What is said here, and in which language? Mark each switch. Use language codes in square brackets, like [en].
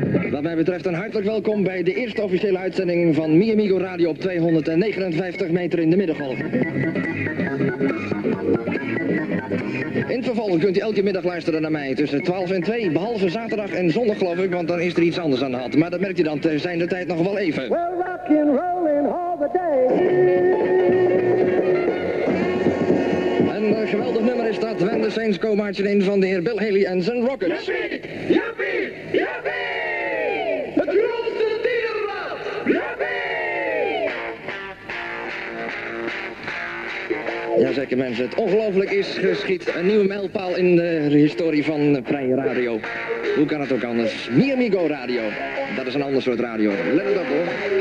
[nl] Wat mij betreft een hartelijk welkom bij de eerste officiële uitzending van Miami Go Radio op 259 meter in de middengolf. In het vervolg kunt u elke middag luisteren naar mij tussen 12 en 2, behalve zaterdag en zondag geloof ik, want dan is er iets anders aan de hand. Maar dat merkt u dan te zijn de tijd nog wel even. [en] We're rocking, rolling all the day. [nl] Een geweldig nummer is dat, When the Saints Go Marching In van de heer Bill Haley en zijn Rockets. Yippie, yippie, yippie! Jazeker mensen, het ongelooflijk is geschied. Een nieuwe mijlpaal in de historie van Vrije Radio. Hoe kan het ook anders? Miami Go Radio. Dat is een ander soort radio. Let op hoor.